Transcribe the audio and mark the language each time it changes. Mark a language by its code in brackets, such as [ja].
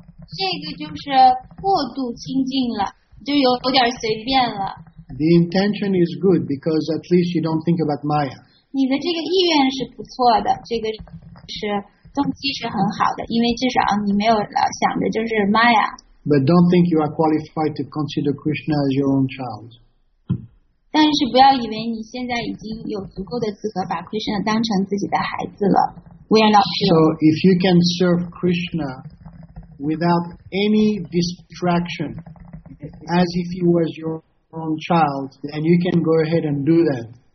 [zh] 这个就是过度亲近了，就有点随便了。 [en] The intention is good because at least you don't think about Maya. [zh] 你的这个意愿是不错的，这个是动机是很好的，因为至少你没有想的就是 Maya。 [en] But don't think you are qualified to consider Krishna as your own child. [zh] 但是不要以为你现在已经有足够的资格把 Krishna 当成自己的孩子了。 We are not [en] sure. So if you can serve Krishna without any distraction, as if he was your own child, then you can go ahead and do that.